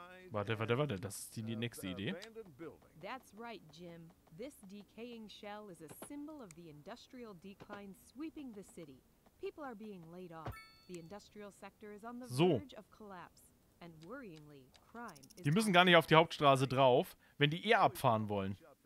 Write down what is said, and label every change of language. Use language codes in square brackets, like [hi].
[de] Warte, das ist die nächste Idee. [en] That's right, Jim. This decaying shell is a symbol of the industrial decline sweeping the city. People are being laid off. The industrial sector is on the verge of collapse. And worryingly, crime is... [de] Die müssen gar nicht auf die Hauptstraße drauf, wenn die eher abfahren wollen.